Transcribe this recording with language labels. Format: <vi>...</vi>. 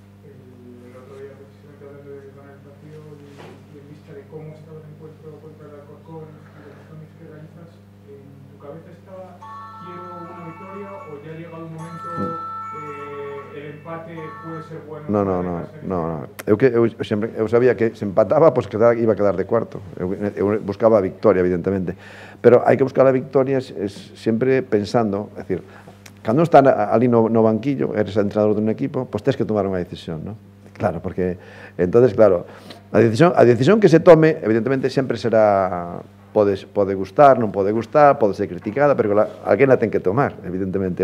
<es>El otro día, pues, se me acabó de ganar el partido y en vista de cómo estaba el encuentro contra el Alcorcón y las condiciones que realizas, ¿en tu cabeza estaba quiero una victoria o ya ha llegado un momento el empate puede ser bueno? No. Eu sabía que se empataba, pues que iba a quedar de cuarto.</es> <gl>Eu buscaba a victoria, evidentemente. Pero hai que buscar a victoria sempre pensando, é dicir, cando estás ali no banquillo, eres entrenador dun equipo, pois tens que tomar unha decisión, non? Claro, porque, entonces, claro, a decisión que se tome, evidentemente, sempre será, pode gustar, non pode gustar, pode ser criticada, pero alguén a ten que tomar, evidentemente.</gl>